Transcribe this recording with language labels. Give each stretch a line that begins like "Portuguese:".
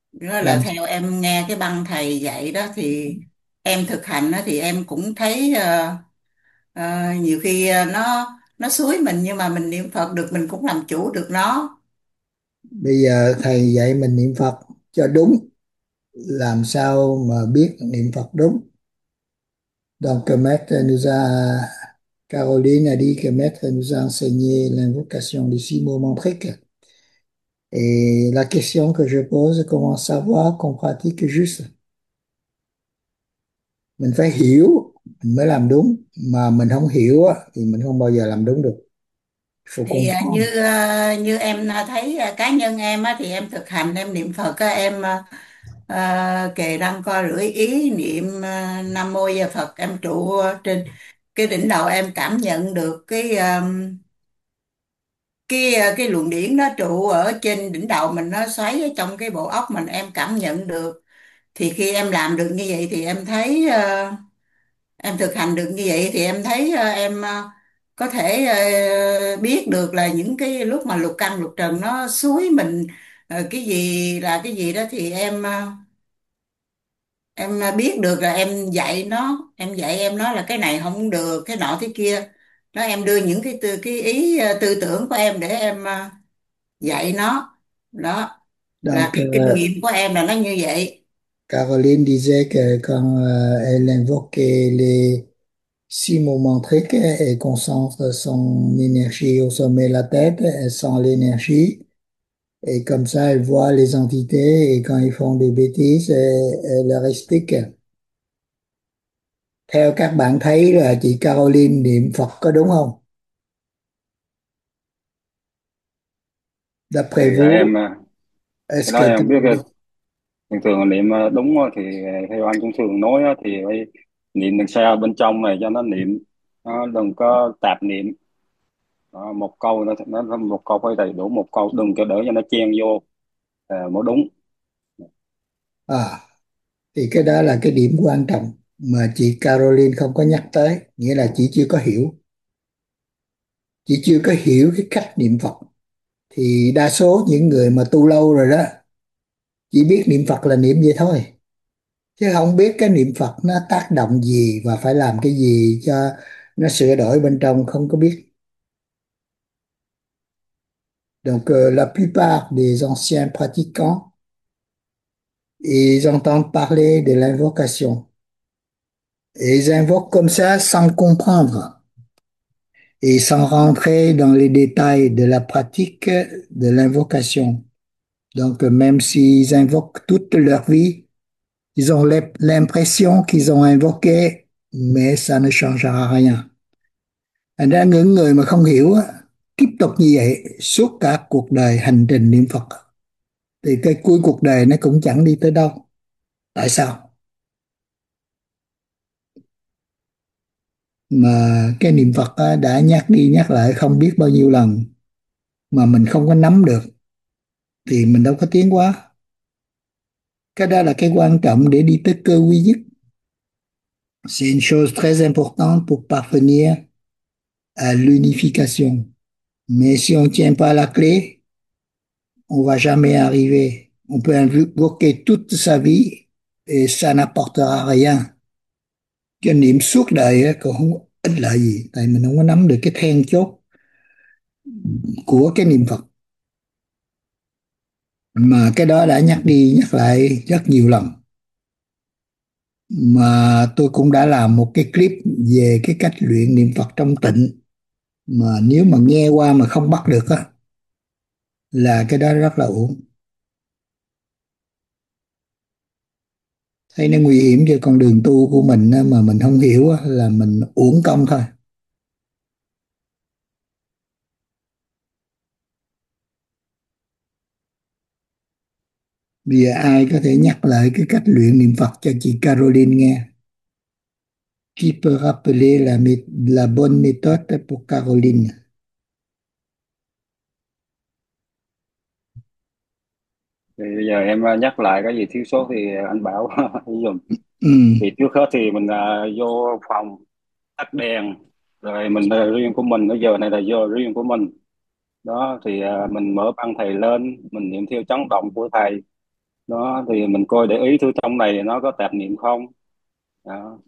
Vietnamese: Đó là theo em nghe cái băng thầy dạy đó, thì em thực hành đó thì em cũng thấy nhiều khi nó xúi mình, nhưng mà mình niệm Phật được, mình cũng làm chủ được nó. Bây giờ thầy dạy mình niệm Phật cho đúng, làm sao mà biết niệm Phật đúng?
French: Donc, maître nous a, Caroline a dit que maître nous a enseigné l'invocation des six mots mantriques. Et la question que je pose, comment savoir qu'on pratique juste?
Vietnamese: Mình phải hiểu, mình mới làm đúng. Mà mình không hiểu thì mình không bao giờ làm đúng được.
French: Faut
Vietnamese: Thì
French: comprendre.
Vietnamese: như em thấy cá nhân em á, thì em thực hành em niệm Phật á, em kề răng co lưỡi ý niệm Nam Mô Di Phật, em trụ trên cái đỉnh đầu, em cảm nhận được cái luồng điển nó trụ ở trên đỉnh đầu mình, nó xoáy ở trong cái bộ óc mình, em cảm nhận được. Thì khi em làm được như vậy thì em thấy em thực hành được như vậy thì em thấy em có thể biết được là những cái lúc mà lục căn lục trần nó xúi mình cái gì là cái gì đó, thì em biết được là em dạy em nói là cái này không được, cái nọ thế kia đó, em đưa những cái ý tư tưởng của em để em dạy nó đó, là cái kinh nghiệm của em là nó như vậy.
French: Caroline disait que quand elle invoquait les six mots mantriques, elle concentre son énergie au sommet de la tête, elle sent l'énergie, et comme ça elle voit les entités, et quand ils font des bêtises, elle leur explique.
Vietnamese: Theo các bạn thấy là chị Caroline niệm Phật có đúng không? Thì
French: D'après
Vietnamese: là
French: vous,
Vietnamese: em cái đó em biết
French: est-ce
Vietnamese: rồi.
French: que
Vietnamese: Thường thường niệm đúng thì theo anh cũng thường nói thì niệm mình sao bên trong này cho nó niệm, nó đừng có tạp niệm. Đó, một câu nó một câu phải đầy đủ, một câu đừng cho đỡ cho nó chen vô mỗi đúng. à, thì cái đó là cái điểm quan trọng mà chị Caroline không có nhắc tới, nghĩa là chị chưa có hiểu. Chị chưa có hiểu cái cách niệm Phật. Thì đa số những người mà tu lâu rồi đó chỉ biết niệm Phật là niệm vậy thôi, chứ không biết cái niệm Phật nó tác động gì và phải làm cái gì cho nó sửa đổi bên trong, không có biết.
French: Donc la plupart des anciens pratiquants, ils entendent parler de l'invocation. Et ils invoquent comme ça sans comprendre. Et sans rentrer dans les détails de la pratique de l'invocation. Donc, même s'ils invoquent toute leur vie, ils ont l'impression qu'ils ont invoqué, mais ça ne changera rien.
Vietnamese: Thành ra, những người mà không hiểu, tiếp tục như vậy suốt cả cuộc đời hành trình niệm Phật, thì cái cuối cuộc đời nó cũng chẳng đi tới đâu. Tại sao? Mà cái niệm Phật đã nhắc đi nhắc lại không biết bao nhiêu lần mà mình không có nắm được thì mình đâu có tiến hóa. Cái đó là cái quan trọng để đi tới cơ quy nhất.
French: C'est une chose très importante pour parvenir à l'unification. Mais si on tient pas la clé, on va jamais arriver. On peut invoquer toute sa vie et ça n'apportera rien.
Vietnamese: Cái niệm suốt đời ấy, còn không ích lợi gì, tại mình không có nắm được cái then chốt của cái niệm Phật, mà cái đó đã nhắc đi nhắc lại rất nhiều lần. Mà tôi cũng đã làm một cái clip về cái cách luyện niệm Phật trong tịnh, mà nếu mà nghe qua mà không bắt được á là cái đó rất là uổng. thấy nó nguy hiểm cho con đường tu của mình á, mà mình không hiểu á, là mình uổng công thôi. Bây giờ ai có thể nhắc lại cái cách luyện niệm Phật cho chị Caroline nghe?
French: Qui peut rappeler la bonne méthode pour Caroline?
Vietnamese: Thì bây giờ em nhắc lại cái gì thiếu sót thì anh bảo dùng. Thì trước hết thì mình vô phòng tắt đèn, rồi mình là riêng của mình, bây giờ này là vô riêng của mình đó. Thì mình mở băng thầy lên, mình niệm theo chấn động của thầy đó, thì mình coi để ý thứ trong này nó có tạp niệm không đó.